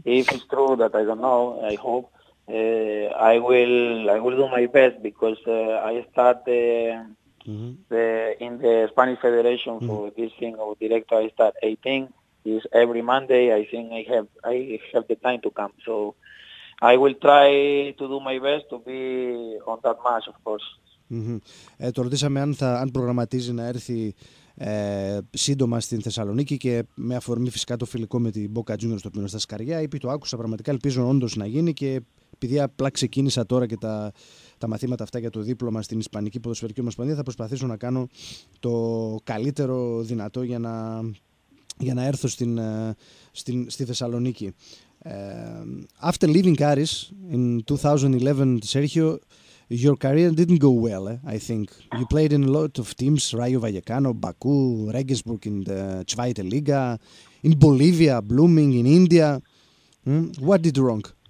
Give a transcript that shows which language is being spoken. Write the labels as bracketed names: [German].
[English] If it's true, that I don't know. I hope I will do my best, because I start in the Spanish Federation for this thing of director. I start 18. Is every Monday. I think I have the time to come. So I will try to do my best to be on that match, of course. Mm-hmm. [Greek] Το ρωτήσαμε αν προγραμματίζει να έρθει σύντομα στην Θεσσαλονίκη, και με αφορμή φυσικά το φιλικό με την Boca Juniors στο πίνω στα Σκαριά. Είπε, το άκουσα, πραγματικά ελπίζω όντως να γίνει, και επειδή απλά ξεκίνησα τώρα και τα μαθήματα αυτά για το δίπλωμα στην Ισπανική Ποδοσφαιρική Ομοσπονδία, θα προσπαθήσω να κάνω το καλύτερο δυνατό για να έρθω στη Θεσσαλονίκη. [English] After leaving Aris in 2011, Sergio, your career didn't go well, I think. You played in a lot of teams, Rayo Vallecano, Baku, Regensburg in the Zweite Liga, in Bolivia, Blooming, in India. What did you wrong?